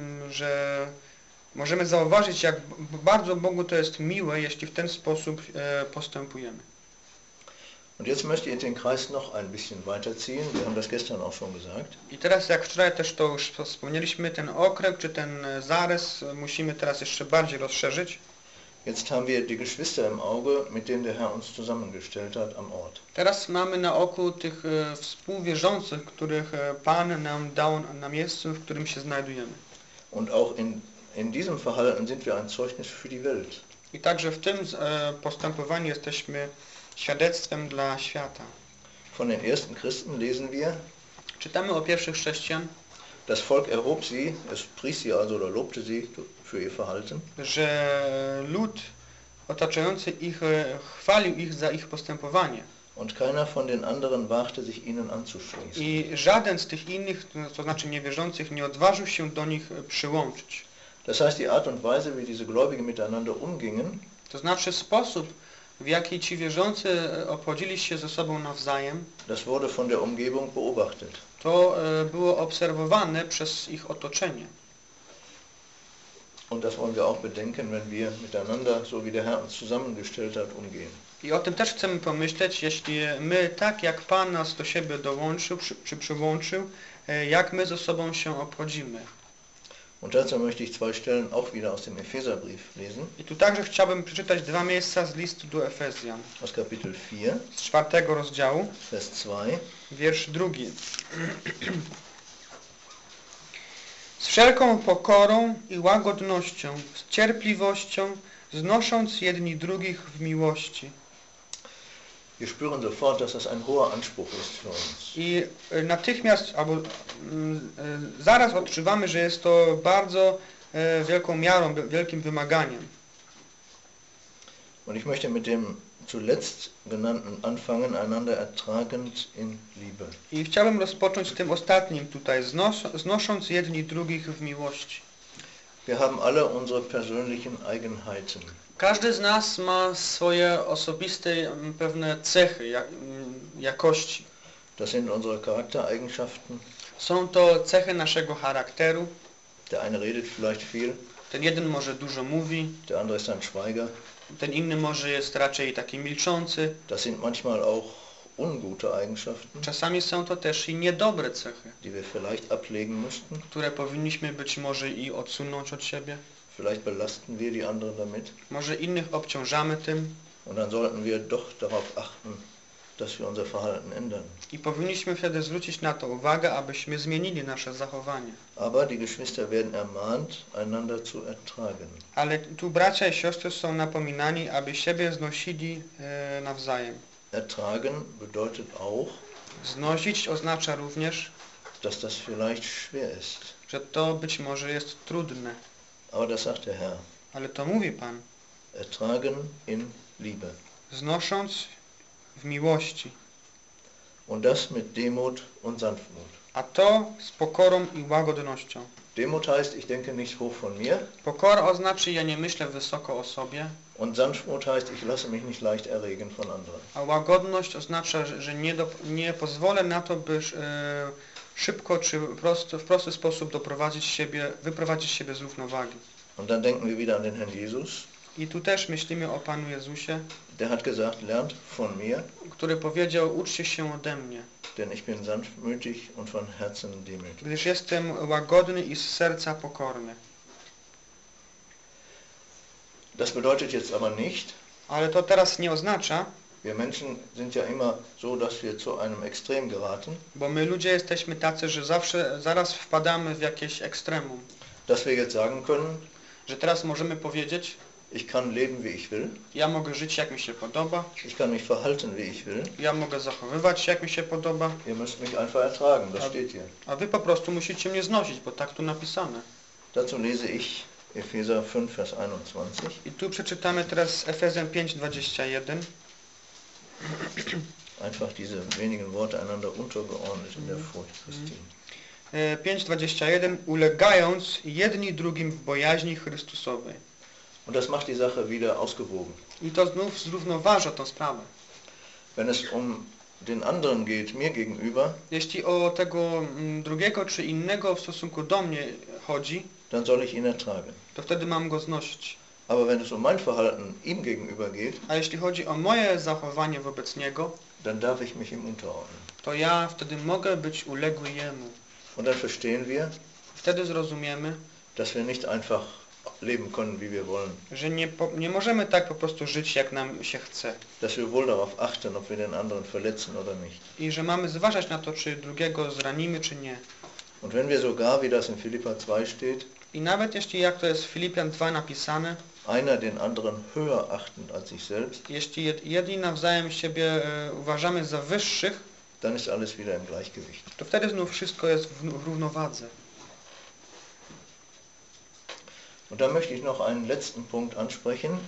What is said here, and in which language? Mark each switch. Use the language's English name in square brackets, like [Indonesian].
[Polish] Że możemy zauważyć, jak bardzo Bogu to jest miłe, jeśli w ten sposób postępujemy. [German] Und jetzt möchte ich den Kreis noch ein bisschen weiterziehen. Wir haben das gestern auch schon gesagt. [Polish] I teraz, jak wczoraj też to już wspomnieliśmy, ten okręg czy ten zarys musimy teraz jeszcze bardziej rozszerzyć. [German] Jetzt haben wir die Geschwister im Auge, mit denen der Herr uns zusammengestellt hat am Ort. [Polish] Teraz mamy na oku tych współwierzących, których Pan nam dał na miejscu, w którym się znajdujemy. [German] Und auch in diesem Verhalten sind wir ein Zeugnis für die Welt. [Polish] I także w tym postępowaniu jesteśmy świadectwem dla świata. [German] Von den ersten Christen lesen wir. [Polish] Czytamy o pierwszych chrześcijan. [German] Das Volk erhob sie, es pries sie also oder lobte sie für ihr Verhalten. [Polish] Że lud otaczający ich chwalił ich za ich postępowanie. [German] Und keiner von den anderen wagte sich ihnen anzuschließen. [Polish] I żaden z tych innych, to znaczy niewierzących, nie odważył się do nich przyłączyć. [German] Das heißt, die Art und Weise, wie diese Gläubigen miteinander umgingen, [Polish] to znaczy sposób, w jaki ci wierzący obchodzili się ze sobą nawzajem, [German] das wurde von der Umgebung beobachtet. [Polish] To było obserwowane przez ich otoczenie. [German] Und das wollen wir auch bedenken, wenn wir miteinander, so wie der Herr uns zusammengestellt hat, umgehen. [Polish] I o tym też chcemy pomyśleć, jeśli my, tak jak Pan nas do siebie dołączył, czy przyłączył, jak my ze sobą się obchodzimy. [German] Und dazu möchte ich zwei Stellen auch wieder aus dem Epheserbrief lesen. [Polish] I tu także chciałbym przeczytać dwa miejsca z listu do Efezjan. [German] Aus Kapitel 4, [Polish] z czwartego rozdziału, [German] Vers 2, [Polish] wiersz drugi. Z wszelką pokorą i łagodnością, z cierpliwością, znosząc jedni drugich w miłości. [German] Wir spüren sofort, dass das ein hoher Anspruch ist für uns. [Polish] I natychmiast, albo zaraz odczuwamy, że jest to bardzo wielką miarą, wielkim wymaganiem. [German] Und ich möchte mit dem zuletzt genannten anfangen, einander ertragend in Liebe. [Polish] I chciałbym rozpocząć tym ostatnim tutaj, znosząc jedni drugich w miłości. [German] Wir haben alle unsere persönlichen Eigenheiten. [Polish] Każdy z nas ma swoje osobiste pewne cechy, jakości. [German] Das sind unsere Charaktereigenschaften. [Polish] Są to cechy naszego charakteru. [German] Der eine redet vielleicht viel. [Polish] Ten jeden może dużo mówi. [German] Der andere ist ein Schweiger. [Polish] Ten inny może jest raczej taki milczący. [German] Das sind manchmal auch ungute Eigenschaften. [Polish] Czasami są to też i niedobre cechy, [German] die wir vielleicht ablegen müssten. [Polish] Które powinniśmy być może i odsunąć od siebie. [German] Vielleicht belasten wir die anderen damit. [Polish] Może innych obciążamy tym. [German] Und dann sollten wir doch darauf achten, dass wir unser Verhalten ändern. [Polish] I powinniśmy wtedy zwrócić na to uwagę, abyśmy zmienili nasze zachowanie. [German] Aber die Geschwister werden ermahnt, einander zu ertragen. [Polish] Ale tu bracia i siostry są napominani, aby siebie znosili nawzajem. [German] Ertragen bedeutet auch, [Polish] znosić oznacza również, [German] dass das vielleicht schwer ist. [Polish] Że to być może jest trudne. [German] Aber das sagt der Herr. [Polish] Ale to mówi Pan. [German] Ertragen in Liebe. [Polish] Znosząc w miłości. [German] Und das mit Demut und Sanftmut. [Polish] A to z pokorą i łagodnością. [German] Demut heißt, ich denke nicht hoch von mir. [Polish] Pokora oznacza, ja nie myślę wysoko o sobie. [German] Und Sanftmut heißt, ich lasse mich nicht leicht erregen von anderen. [Polish] A łagodność oznacza, że nie pozwolę na to, by szybko czy w prosty sposób wyprowadzić siebie z równowagi. [German] Und dann denken wir wieder an den Herrn Jesus. [Polish] I tu też myślimy o Panu Jezusie. [German] Der hat gesagt, lernt von mir. [Polish] Który powiedział, uczcie się ode mnie. [German] Denn ich bin sanftmütig und von Herzen demütig. [Polish] Gdyż jestem łagodny i z serca pokorny. [German] Das bedeutet jetzt aber nicht. [Polish] Ale to teraz nie oznacza. [German] Wir Menschen sind ja immer so, dass wir zu einem Extrem geraten. [Polish] Bo my ludzie jesteśmy tacy, że zawsze zaraz wpadamy w jakieś ekstremum. [German] Dass wir jetzt sagen können, [Polish] że teraz możemy powiedzieć, [German] ich kann leben wie ich will. [Polish] Ja mogę żyć jak mi się podoba. [German] Ich kann mich verhalten wie ich will. [Polish] Ja mogę zachowywać się jak mi się podoba. [German] Ihr müsst mich einfach ertragen, das steht hier. [Polish] A wy po prostu musicie mnie znosić, bo tak tu napisane. [German] Dazu lese ich Epheser 5, Vers 21. [Polish] I tu przeczytamy teraz Efezjan 5:21. [German] Einfach diese wenigen Worte einander untergeordnet in der Furcht Christi. [Polish] 5:21, ulegając jedni drugim w bojaźni Chrystusowej. [German] Und das macht die Sache wieder ausgewogen. [Polish] I to znów zrównoważa tą sprawę. [German] Wenn es um den anderen geht, mir gegenüber, [Polish] jeśli o tego drugiego czy innego w stosunku do mnie chodzi, [German] dann soll ich ihn ertragen. [Polish] To wtedy mam go znosić. [German] Aber wenn es um mein Verhalten ihm gegenüber geht, [Polish] a jeśli chodzi o moje zachowanie wobec niego, [German] dann darf ich mich ihm unterordnen. [Polish] To ja wtedy mogę być uległy jemu. [German] Und dann verstehen wir, [Polish] wtedy zrozumiemy, [German] dass wir nicht einfach leben können, wie wir wollen. [Polish] Że nie możemy tak po prostu żyć, jak nam się chce. [German] Dass wir wohl darauf achten, ob wir den anderen verletzen oder nicht. [Polish] I że mamy zważać na to, czy drugiego zranimy, czy nie. [German] Und wenn wir sogar, wie das in Philippa 2 steht, [Polish] i nawet jeśli, jak to jest w Filipian 2 napisane, [German] einer den anderen höher achten als sich selbst, [Polish] jeśli jedni nawzajem siebie uważamy za wyższych, [German] dann ist alles wieder im Gleichgewicht. [Polish] To wtedy znów wszystko jest w równowadze. [German] Und da möchte ich noch einen letzten Punkt ansprechen.